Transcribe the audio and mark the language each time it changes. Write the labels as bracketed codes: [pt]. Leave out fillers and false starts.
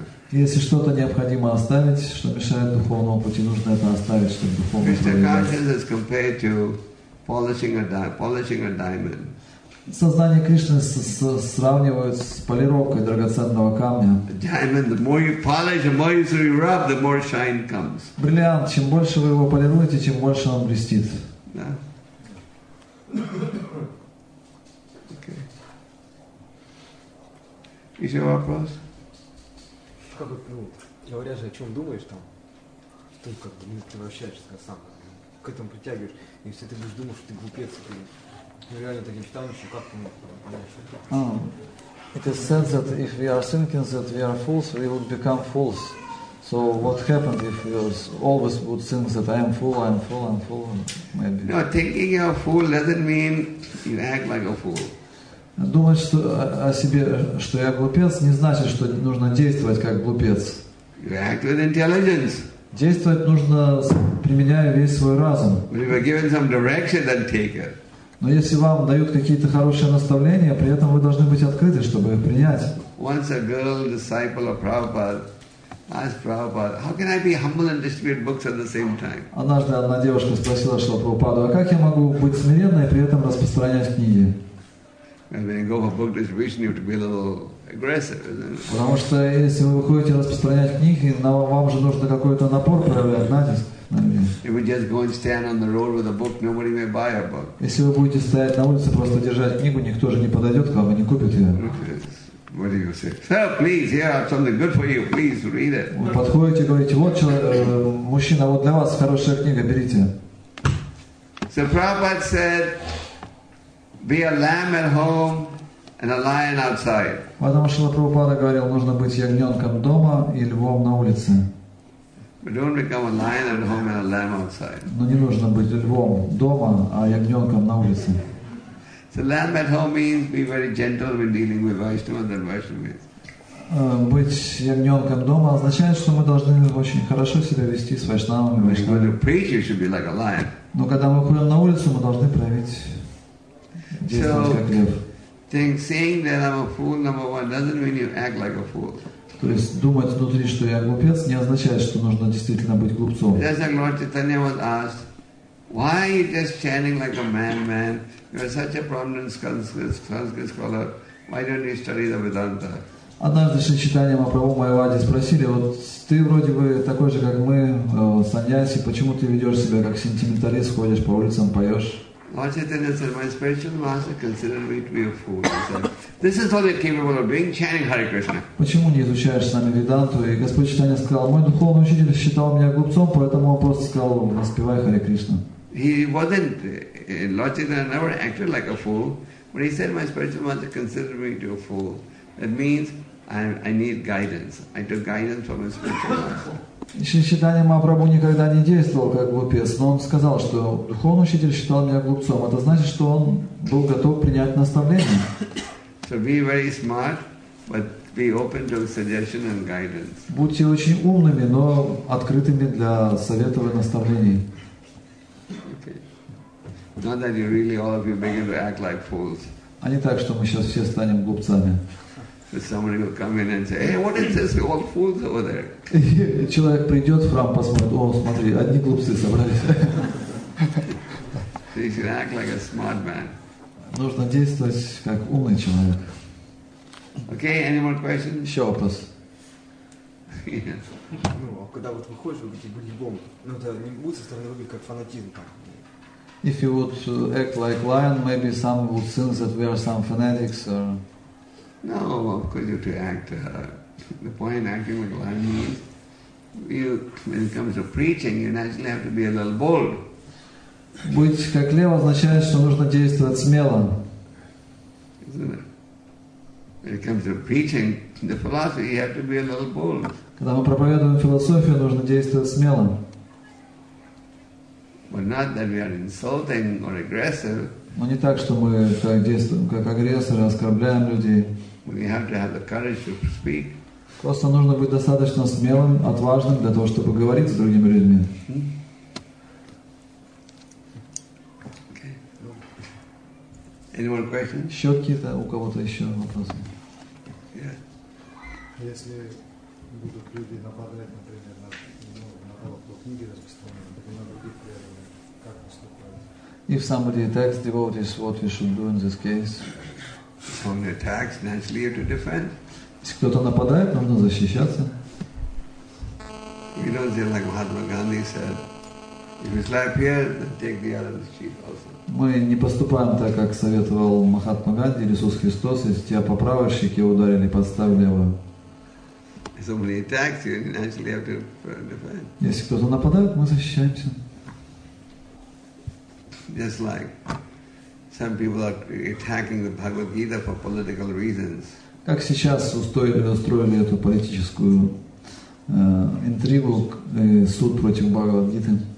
[ru] Если что-то необходимо оставить, что мешает духовному пути, нужно это оставить, чтобы духовный прогресс. Сознание Кришны сравнивают с полировкой драгоценного камня. [en] Diamond, the more you polish, the more you rub, the more shine comes. [ru] Бриллиант, чем больше вы его полируете, тем больше он блестит. Да. Еще вопрос? Как вот, ну, говоря же, о чем думаешь там, ты как бы, ты вращаешься сам, к этому притягиваешь, и все ты будешь думать, что ты глупец, ты реально таким станешь, как ты понимаешь? [en] It is said that if we are thinking that we are fools, we would become fools. So what happened if we always would think that I am fool, maybe. No, thinking you're a fool doesn't mean you act like a fool. [ru] Думать что, о себе, что я глупец, не значит, что нужно действовать как глупец. [en] You act with intelligence. [ru] Действовать нужно, применяя весь свой разум. [en] But if you're given some direction, then take it. [ru] Но если вам дают какие-то хорошие наставления, при этом вы должны быть открыты, чтобы их принять. [en] Once a girl, disciple of Prabhupada, asked Prabhupada, how can I be humble and distribute books at the same time? [ru] Однажды одна девушка спросила Шрила Прабхупаду, а как я могу быть смиренной и при этом распространять книги? [en] And then go for book distribution, you have to be a little aggressive, isn't it? [ru] Потому что если вы выходите распространять книги, вам же нужно какой-то напор проявлять, натиск. [en] If we just go and stand on the road with a book, nobody may buy a book. [ru] Если вы будете стоять на улице просто держать книгу, никто же не подойдет к вам и не купит ее. [en] What do you say? Sir, please, here I have something good for you. Please read it. [ru] Вы подходите, говорите, вот мужчина, вот для вас хорошая книга, берите. [en] So Prabhupada said, be a lamb at home and a lion outside. [ru] Потому что Прабхупада говорил, нужно быть ягненком дома и львом на улице. [en] But don't become a lion at home and a lamb outside. [ru] Но не нужно быть львом дома, а ягненком на улице. [en] So lamb at home means be very gentle when dealing with Vaishnavas and Vaishnavas. [ru] Быть ягненком дома означает, что мы должны очень хорошо себя вести с Вайшнавами. [en] When you go to preach, you should be like a lion. [ru] Но когда мы ходим на улицу, мы должны проявить действовать как лев. [en] Saying that I'm a fool number one doesn't mean you act like a fool. [ru] То есть думать внутри, что я глупец, не означает, что нужно действительно быть глупцом. [en] Lord Chaitanya was asked, why are you just chanting like a madman? You are such a prominent Sanskrit scholar. Why don't you study the Vedanta? [ru] Однажды Шри Чайтанья Махапрабху Майавади спросили, вот ты вроде бы такой же, как мы, саньяси, почему ты ведешь себя как сентименталист, ходишь по улицам, поешь? [en] Lord Chaitanya said, my spiritual master considered me to be a fool. He said, this is what you're capable of being, chanting Hare Krishna. [ru] Почему не изучаешь с нами Веданту? И Господь Чайтанья сказал, мой духовный учитель считал меня глупцом, поэтому он просто сказал, воспевай Харе Кришна. [en] He wasn't, Lord Chaitanya never acted like a fool, but he said, my spiritual master considered me to be a fool. That means, I need guidance. I took guidance from his spiritual master. [ru] Шри Чайтанья Махапрабху никогда не действовал как глупец, но он сказал, что духовный учитель считал меня глупцом. Это значит, что он был готов принять наставление. [en] So be very smart, but be open to suggestion and guidance. [ru] Будьте очень умными, но открытыми для советов и наставлений. [en] Okay. Not that you really all of you begin to act like fools. [ru] А не так, что мы сейчас все станем глупцами. [en] Somebody will come in and say, "Hey, what is this? We're all fools over there." [ru] Человек придет в храм, посмотрит. О, смотри, одни глупцы собрались. [en] So you should act like a smart man. [ru] Нужно действовать как умный человек. [en] Okay, any more questions? [ru] Еще вопрос. Ну, а когда вот выходишь, вы такие гулибом, ну это не будет со стороны выглядеть как фанатизм там. [en] If you would act like lion, maybe some would think that we are some fanatics or. No, of course you have to act. The point acting with lion means you, when it comes to preaching, you naturally have to be a little bold. [ru] Быть как лев означает, что нужно действовать смело. [en] When it comes to preaching, the philosophy, you have to be a little bold. [ru] Когда мы проповедуем философию, нужно действовать смело. [en] But not that we are insulting or aggressive. [ru] Но не так, что мы действуем как агрессоры, оскорбляем людей. [en] We have to have the courage to speak. [ru] Просто нужно быть достаточно смелым, отважным для того, чтобы говорить с другими людьми. [en] Okay. Any more questions? [ru] Еще какие-то у кого-то еще вопросы? [en] Yeah. [ru] Если будут люди нападать, например, на того, кто книги распространяет, на других преданных, как поступать? [en] If somebody attacks devotees, what we should do in this case? Someone attacks, naturally you have to defend. [ru] Если кто-то нападает, нужно защищаться. [en] You know, just like Mahatma Gandhi said, if you slap here, then take the other cheek also. [ru] Мы не поступаем так, как советовал Махатма Ганди или Иисус Христос, если тебя по правой щеке ударили, подставь левую. [en] If somebody attacks you, naturally you have to defend. [ru] Если кто-то нападает, мы защищаемся. [en] Just like. Some people are attacking the Bhagavad Gita for political reasons. [ru] Как сейчас устроили эту политическую интригу, суд против Бхагавад Гиты?